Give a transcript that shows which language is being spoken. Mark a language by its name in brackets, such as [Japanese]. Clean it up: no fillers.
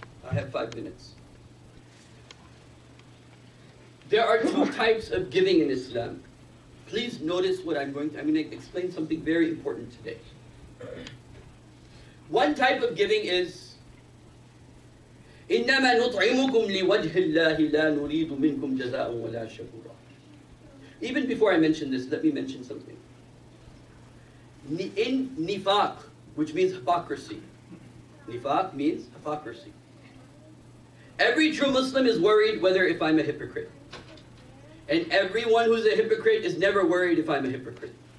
[English] I have 5 minutes. There are two types of giving in Islam. Please notice what I'm going to explain something very important today. One type of giving is [Arabic] إِنَّمَا نُطْعِمُكُمْ لِوَجْهِ اللَّهِ لَا نُرِيدُ مِنْكُمْ جَزَاءً وَلَا شَكُورًا. [English] Even before I mention this, let me mention something. In nifaq, which means hypocrisy, nifaq means hypocrisy, every true Muslim is worried whether if I'm a hypocrite. And everyone who's a hypocrite is never worried if I'm a hypocrite.